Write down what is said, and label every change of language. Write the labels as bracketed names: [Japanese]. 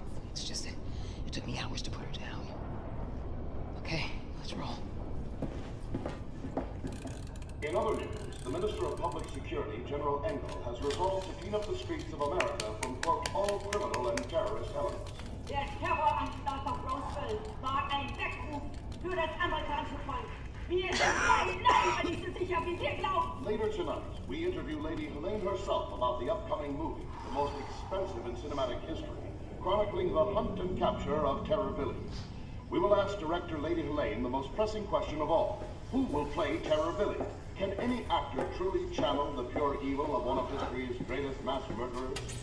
[English] It's just that it took me hours to put her down. Okay, let's roll. Reuters, the Minister of Public Security, General Engel, has resolved to clean up the streets of America from, quote, all criminal and terrorist elements. [German] Der Terroranschlag auf Roswell war ein Weckruf für das amerikanische Volk. Wir sind nicht so sicher, wie Sie glauben. [English] Later tonight, we interview Lady Helene herself about the upcoming movie, the most expensive in cinematic history, chronicling the hunt and capture of terror villains. We will ask director Lady Helene the most pressing question of all. Who will play Terror Billy? Can any actor truly channel the pure evil of one of history's greatest mass murderers?